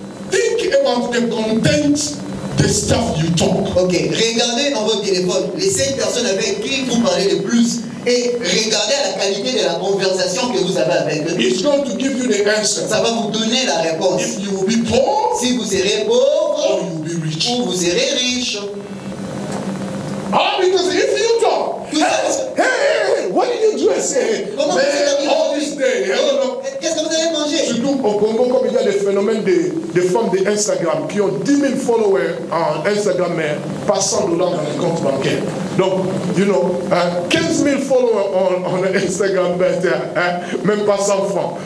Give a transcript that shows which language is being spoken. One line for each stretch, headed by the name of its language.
English: Think about the content, the stuff you talk.
French: Ok, regardez dans votre téléphone les 5 personnes avec qui vous parlez le plus et regardez la qualité de la conversation que vous avez avec eux.
English: It's going to give you the answer.
French: Ça va vous donner la réponse.
English: If you will be poor,
French: si vous serez pauvre,
English: or you will be rich.
French: Ou vous serez riche.
English: Ah, because if you talk, what did you do? I said, all this day,
French: qu'est-ce que vous avez mangé? Surtout au Congo, comme il y a le phénomène des femmes d'Instagram qui ont 10 000 followers en Instagram, mais pas $100 dans les comptes bancaires.
English: Donc, you know, 15 000 followers on Instagram, but,
French: même pas 100 francs.